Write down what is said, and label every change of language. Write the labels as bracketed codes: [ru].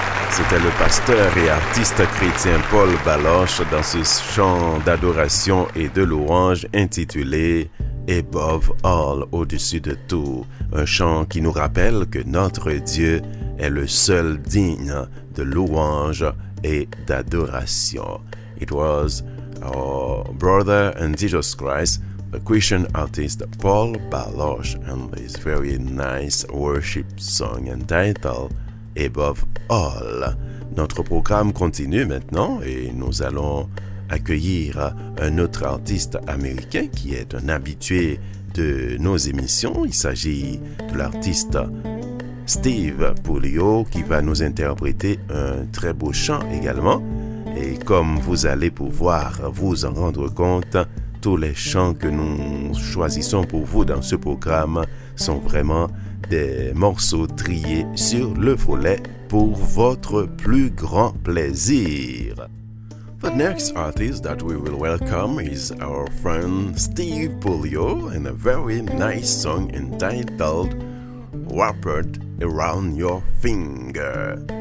[fr] C'était le pasteur et artiste chrétien Paul Baloche dans ce chant d'adoration et de louange intitulé « Above All, au-dessus de tout », un chant qui nous rappelle que notre Dieu est le seul digne de louange et d'adoration. [en] It was our brother and Jesus Christ, the Christian artist Paul Baloche, and this very nice worship song entitled Above All. [fr] Notre programme continue maintenant et nous allons accueillir un autre artiste américain qui est un habitué de nos émissions. Il s'agit de l'artiste Steve Puglio qui va nous interpréter un très beau chant également. Et comme vous allez pouvoir vous en rendre compte, tous les chants que nous choisissons pour vous dans ce programme sont vraiment des morceaux triés sur le volet pour votre plus grand plaisir. [en] The next artist that we will welcome is our friend Steve Puglio in a very nice song entitled Wrapped Around Your Finger.